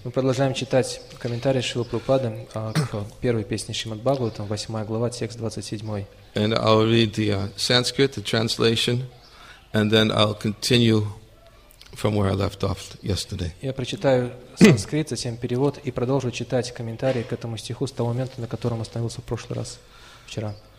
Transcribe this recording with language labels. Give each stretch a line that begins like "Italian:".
Russian: Мы продолжаем читать комментарии Шрилы Прабхупады к первой песне Шримад Бхагаватам, 8 глава, текст 27.
English: And I'll read the Sanskrit, the translation, and then I'll continue from where I left off yesterday.
Russian: Я прочитаю санскрит, затем перевод, и продолжу читать комментарии к этому стиху с того момента, на котором остановился в прошлый раз, вчера.